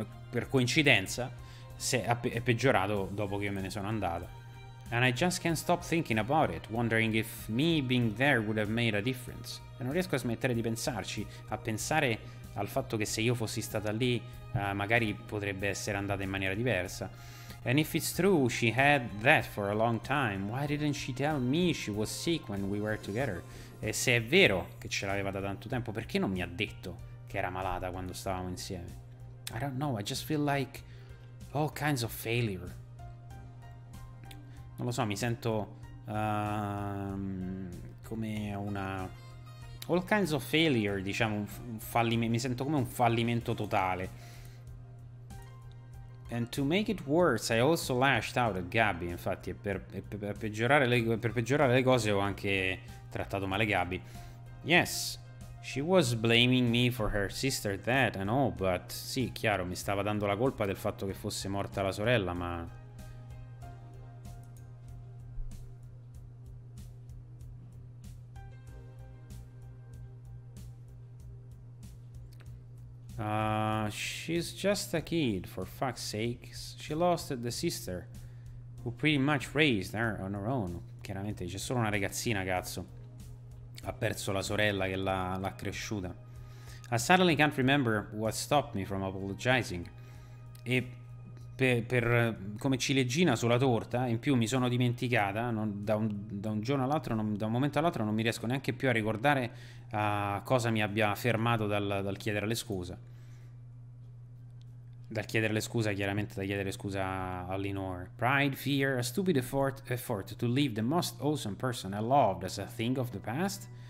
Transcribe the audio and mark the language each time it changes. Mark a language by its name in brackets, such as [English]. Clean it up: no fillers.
[Italian] Per coincidenza è peggiorato dopo che io me ne sono andato. [English] And I just can't stop thinking about it, wondering if me being there would have made a difference. [Italian] E non riesco a smettere di pensarci, a pensare al fatto che se io fossi stata lì, magari potrebbe essere andata in maniera diversa. [English] And if it's true she had that for a long time, why didn't she tell me she was sick when we were together? [Italian] E se è vero che ce l'aveva da tanto tempo, perché non mi ha detto che era malata quando stavamo insieme? [English] I don't know, I just feel like all kinds of failure. [Italian] Non lo so, mi sento come una... [English] All kinds of failure, [Italian] diciamo, mi sento come un fallimento totale. [English] And to make it worse, I also lashed out at Gabby, [Italian] infatti, per peggiorare le cose ho anche trattato male Gabby. [English] Yes, she was blaming me for her sister dead and all, but... [Italian] Sì, chiaro, mi stava dando la colpa del fatto che fosse morta la sorella, ma... [English] she's just a kid, for fuck's sakes. She lost the sister, who pretty much raised her on her own. [Italian] Chiaramente c'è solo una ragazzina, cazzo. Ha perso la sorella che l'ha cresciuta. [English] I suddenly can't remember what stopped me from apologizing. [Italian] E per come ciliegina sulla torta, in più mi sono dimenticata, da un giorno all'altro, da un momento all'altro non mi riesco neanche più a ricordare cosa mi abbia fermato dal chiedere le scuse. Dal chiederle scusa, chiaramente, da chiedere scusa a Lenore. [English] Pride, fear, a stupid effort to leave the most awesome person I loved as a thing of the past.